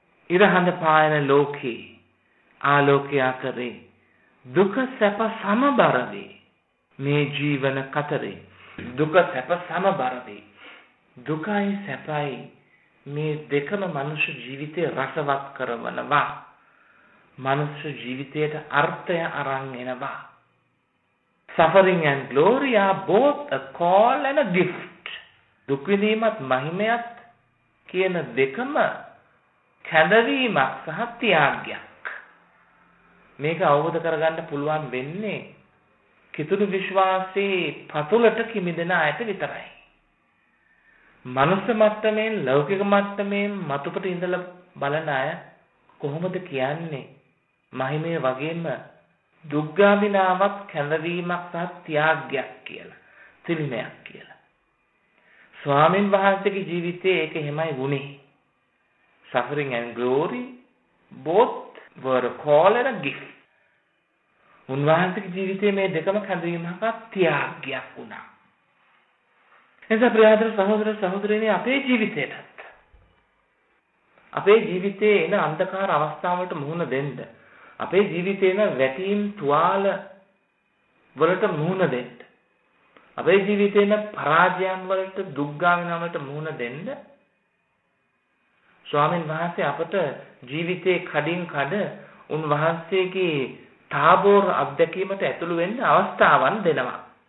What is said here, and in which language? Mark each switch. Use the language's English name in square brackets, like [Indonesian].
[Sinhala] ඉරහඳ පායන ලෝකේ ආලෝකය කරේ දුක සැප සමබරවේ මේ ජීවන කතරේ. දුක සැප සමබරවේ දුකයි සැපයි මේ දෙකම මනුෂ්‍ය ජීවිතය රසවත් කරවනවා. මනුෂ්‍ය ජීවිතයට අර්ථය අරන් එනවා. [English] Suffering and glory are both a call and a gift. [Sinhala] දුක් විඳීමත් මහිමයත් කියන දෙකම කැඳවීමක් සහ ත්‍යාගයක්. මේක අවබෝධ කරගන්න පුළුවන් වෙන්නේ කිතුනු විශ්වාසී පතුලට කිමිදෙන අයට විතරයි. මනස මට්ටමේ ලෞකික මට්ටමේ මතුපිට ඉඳලා බලන අය කොහොමද කියන්නේ මහිමය වගේම දුක්ගාමිනාවක් කැඳවීමක් සහ ත්‍යාගයක් කියලා තිරිමයක් කියලා. ස්වාමීන් වහන්සේගේ ජීවිතයේ ඒක එහෙමයි වුණේ. [English] Suffering and glory both were a call and a gift. [Sinhala] උන්වහන්සේගේ ජීවිතයේ මේ දෙකම කැඳවීමක් ත්‍යාගයක් වුණා. එසේ ප්‍රියදර සහෝදර සහෝදරියනි අපේ ජීවිතේටත් අපේ ජීවිතයේ එන අන්ධකාර අවස්ථාවලට මුහුණ දෙන්න අපේ ජීවිතේ එන වැටීම් තුවාල වලට මුහුණ දෙන්න අපේ ජීවිතේ එන පරාජයන් වලට දුක්ගාමිනා වලට මුහුණ දෙන්න ස්වාමීන් වහන්සේ අපට ජීවිතේ කඩින් කඩ උන්වහන්සේගේ තාබෝර අත්දැකීමට ඇතුළු වෙන්න අවස්ථාවන් දෙනවා.